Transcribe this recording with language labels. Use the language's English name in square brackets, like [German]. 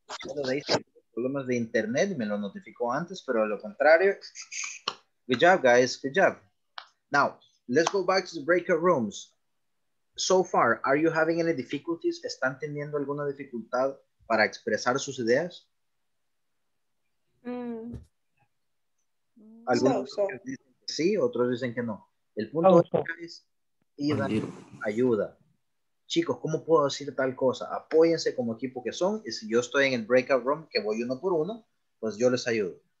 [Spanish] Solo de ahí problemas de internet, me lo notificó antes, pero a lo contrario. [English] Good job, guys, good job. Now, let's go back to the breakout rooms. So far, are you having any difficulties? [Spanish] ¿Están teniendo alguna dificultad para expresar sus ideas? Algunos dicen que sí, otros dicen que no. El punto es ir a ayuda. Chicos, ¿cómo puedo decir tal cosa? Apóyense como equipo que son, y si yo estoy en el breakout room, que voy uno por uno, pues yo les ayudo.